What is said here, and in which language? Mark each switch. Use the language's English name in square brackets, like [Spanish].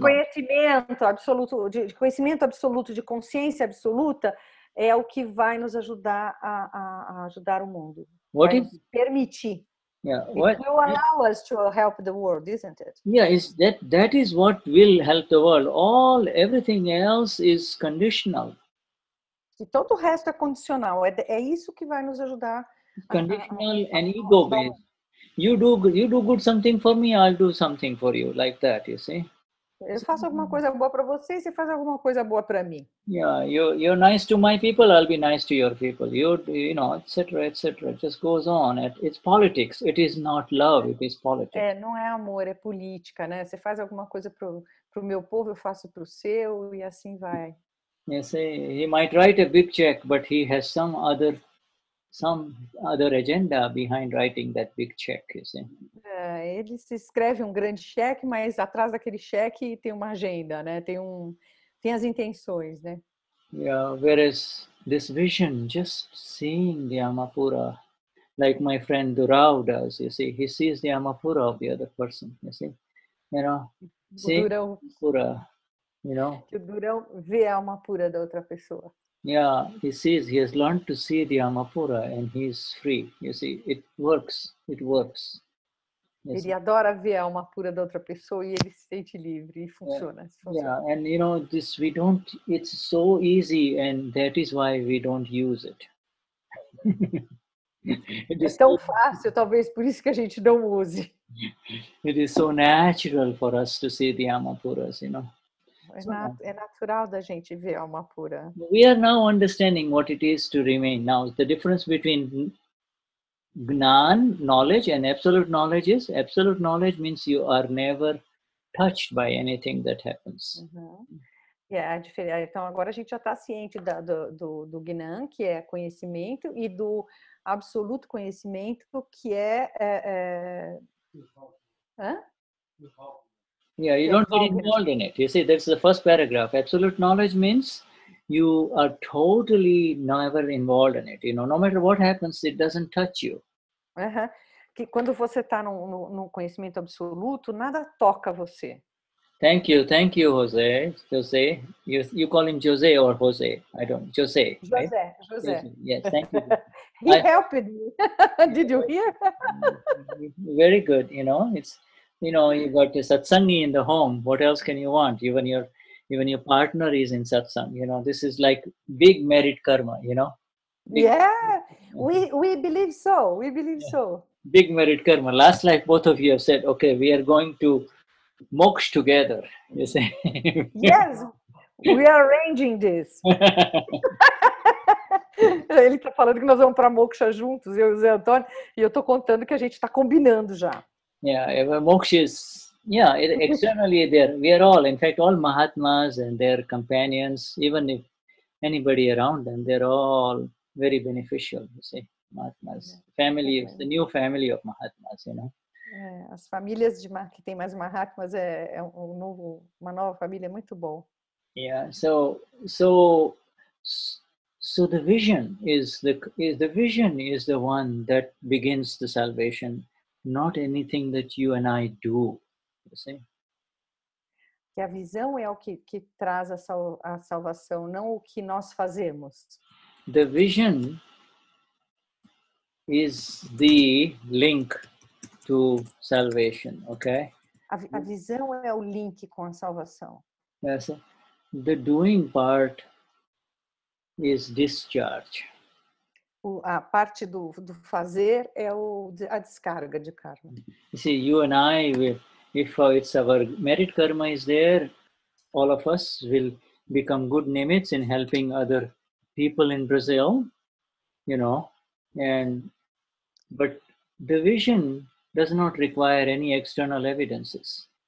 [Portuguese] conhecimento absoluto, de conhecimento absoluto, de consciência absoluta. É o que vai nos ajudar a ajudar o mundo. [English] What [Portuguese] vai [English] is, [Portuguese] permitir. [English] Yeah, what, it will allow us to help the world, isn't it? Yeah, is that that is what will help the world. All everything else is conditional. [Portuguese] E todo o resto é condicional. É isso que vai nos ajudar. [English] Conditional and ego based. You do good something for me, I'll do something for you, like that, you see? [Portuguese] Eu faço alguma coisa boa para você e você faz alguma coisa boa para mim. [English] Yeah, you're nice to my people, I'll be nice to your people. You know, etc, etc. It just goes on. It's politics. It is not love, it is politics. [Portuguese] É, não é amor, é política, né? Você faz alguma coisa pro meu povo, eu faço pro seu e assim vai. [English] You see, he might write a big check, but he has some other agenda behind writing that big check, you see. [Portuguese] Ele se escreve um grande cheque, mas atrás daquele cheque tem uma agenda, né? Tem as intenções, né? [English] Yeah, whereas this vision, just seeing the Amapura, like my friend Durao does, you see, he sees the Amapura of the other person, you see? You know, see the Amapura, you know? [Portuguese] Que o Durao vê a Amapura da outra pessoa. [English] Yeah, he sees, he has learned to see the Amapura and he is free, you see, it works. [Portuguese] Ele adora ver a alma pura da outra pessoa e ele se sente livre e funciona. [English] Yeah, and you know, this we don't, it's so easy and that is why we don't use it. It is [Portuguese] tão fácil, talvez por isso que a gente não use. [English] It is so natural for us to see the Amapuras, you know. [Portuguese] É natural da gente ver a alma pura. [English] We are now understanding what it is to remain. Now, the difference between Gnan, knowledge, and absolute knowledge is, absolute knowledge means you are never touched by anything that happens. [Portuguese] Uhum. Yeah, diferente. Então agora a gente já está ciente do Gnan, que é conhecimento, e do absoluto conhecimento, que é... [English] Yeah, you don't get involved in it. You see, that's the first paragraph. Absolute knowledge means you are totally never involved in it. You know, no matter what happens, it doesn't touch you. Uh-huh. [Portuguese] Que quando você está no conhecimento absoluto, nada toca você. [English] thank you, José. José, you call him José or José? I don't. José. José. Right? Yes, thank you. He helped me. Did you hear? Very good. You know, it's, you know, you got a satsangi in the home. What else can you want? Even your partner is in satsang. You know, this is like big merit karma. You know. Big. Yeah, we believe so. We believe so. Big merit karma. Last life, both of you have said, okay, we are going to moksh together. You say. Yes, we are arranging this. [Portuguese] Ele está falando que nós vamos para moksha juntos, eu e o Zé Antônio, e eu estou contando que a gente está combinando já. [English] Yeah, moksha is, yeah, externally there, we are all, in fact, all Mahatmas and their companions, even if anybody around them, they're all very beneficial, you see, Mahatmas, family, the new family of Mahatmas, you know. [Portuguese] As famílias de que tem mais Mahatmas é um novo, uma nova família, muito bom. [English] Yeah, so the vision is the one that begins the salvation, not anything that you and I do, you see. [Portuguese] Que a visão é o que traz a salvação, não o que nós fazemos. [English] The vision is the link to salvation, okay? [Portuguese] A visão é o link com a salvação. [English] Yes. The doing part is discharge. [Portuguese] A parte do fazer é a descarga de karma. [English] You see, you and I, if it's our merit karma is there, all of us will become good nimits in helping other people in Brazil, you know, but the vision does not require any external evidences.